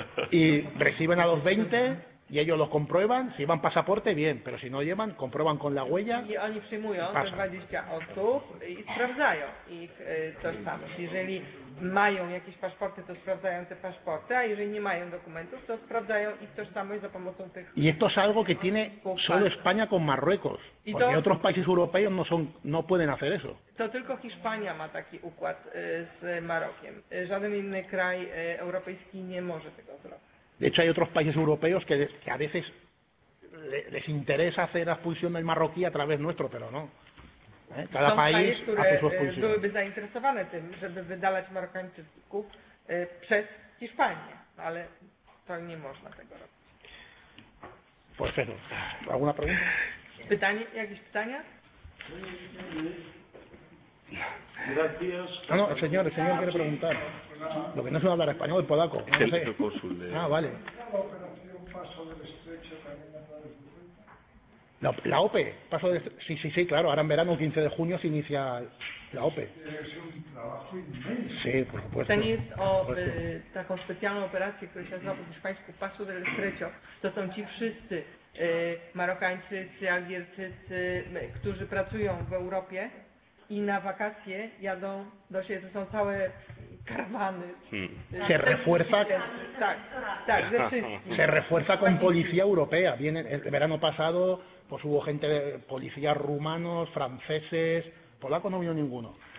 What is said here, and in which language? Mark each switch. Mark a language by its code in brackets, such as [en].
[es] Y reciben a los 20 y ellos los comprueban. Si llevan pasaporte, bien. Pero si no llevan, comprueban con la huella. [pl] Y oni przyjmują te 20 osób i sprawdzają ich tożsamość. Jeżeli mają jakieś paszporty, to sprawdzają te paszporty, a jeżeli nie mają dokumentów, to sprawdzają ich tożsamość za pomocą tych... [es] Y esto es algo que tiene solo España con Marruecos. Porque otros países europeos no pueden hacer eso. [pl] To tylko Hiszpania ma taki układ z Marokiem. Żaden inny kraj europejski nie może tego zrobić. [es] De hecho, hay otros países europeos que a veces les interesa hacer la expulsión del marroquí a través nuestro, pero no. Cada país hace su expulsión. [pl] Byłyby zainteresowane tym, żeby wydalać Marokańczyków przez Hiszpanię, ale to nie można tego robić. [es] Pues eso. ¿Alguna pregunta? [pl] Pytanie, jakieś pytania? [es] Gracias. No, el señor quiere preguntar. Lo que no se va a hablar español, el polaco. No sé. Vale. La OPE, paso de... Sí, claro, ahora en verano, el 15 de junio, se inicia la OPE. Sí, por supuesto. [pl] Ten jest o taką specjalną operację, która się nazywa po hiszpańsku Paso del Estrecho. To są ci wszyscy Marokańczycy, Algierczycy, którzy pracują w Europie i na wakacje jadą do siebie, to są całe karawany. [es] Se refuerza. [pl] Tak, ze wszystkim. [es] Se refuerza con policía europea. Viene el verano pasado, pues hubo gente, policías rumanos, franceses, polaco no vino ninguno.